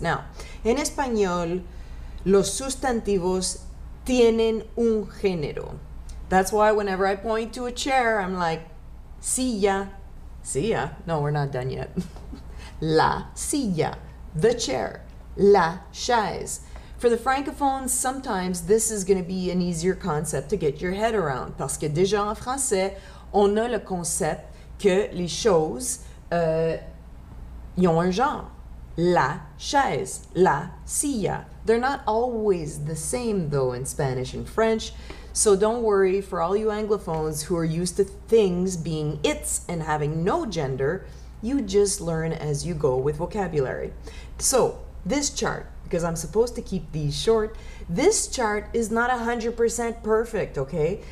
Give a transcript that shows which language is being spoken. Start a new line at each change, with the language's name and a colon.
Spanish: Now, en español, los sustantivos tienen un género.
English: That's why whenever I point to a chair, I'm like, silla. Silla. No, we're not done yet. La silla. The chair, la chaise. For the francophones, sometimes this is going to be an easier concept to get your head around.
French: Parce que déjà en français, on a le concept que les choses, ils ont un genre. La chaise, la silla.
English: They're not always the same though in Spanish and French. So don't worry for all you anglophones who are used to things being its and having no gender. You just learn as you go with vocabulary. So, this chart, because I'm supposed to keep these short, this chart is not 100% perfect, okay?